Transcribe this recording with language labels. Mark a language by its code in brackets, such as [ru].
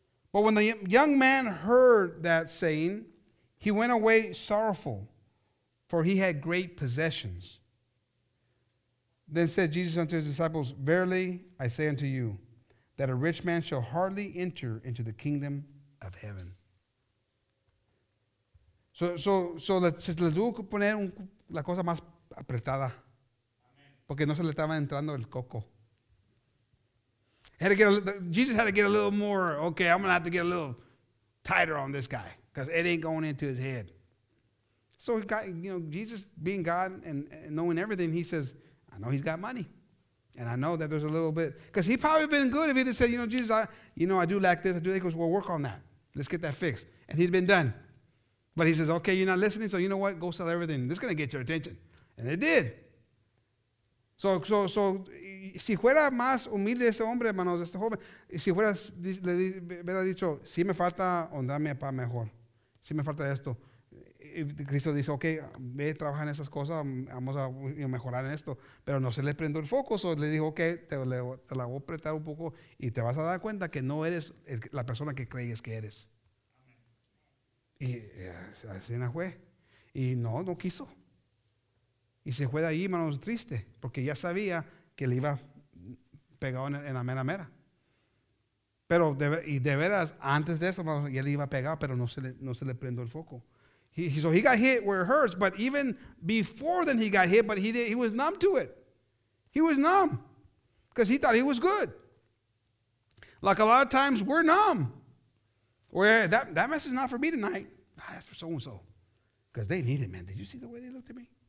[en] But when the young man heard that saying, he went away sorrowful, for he had great possessions. Then said Jesus unto his disciples, verily I say unto you, that a rich man shall hardly enter into the kingdom of heaven. [es] So se le tuvo que poner la cosa más apretada. Porque no se le estaba entrando el coco. [en] Jesus had to get a little more, okay, I'm going to have to get a little tighter on this guy. Because it ain't going into his head. So, Jesus being God and knowing everything, he says, I know he's got money. And I know that there's a little bit. Because he'd probably been good if he just said, Jesus, I do lack this. I do that. He goes, well, work on that. Let's get that fixed. And he'd been done. But he says, okay, you're not listening. So you know what? Go sell everything. This is going to get your attention. And it did. [es] So, si fuera más humilde este hombre, hermanos, este joven, si fuera, le hubiera dicho, si me falta, andame para mejor. Si me falta esto. Cristo dice, ok, ve, trabaja en esas cosas, vamos a mejorar en esto. Pero no se le prendió el foco, so le dijo, ok, te la voy a apretar un poco y te vas a dar cuenta que no eres la persona que crees que eres. Y así no fue. Y no quiso. Y se fue de ahí, hermanos, triste, porque ya sabía que le iba pegado en la mera mera. Pero de veras, antes de eso, hermanos, ya le iba pegado, pero no se le prendió el foco. [en] So he got hit where it hurts, but even before then he got hit, but he was numb to it. He was numb because he thought he was good. Like a lot of times we're numb. Where that message is not for me tonight. That's for so-and-so. Because they need it, man. Did you see the way they looked at me?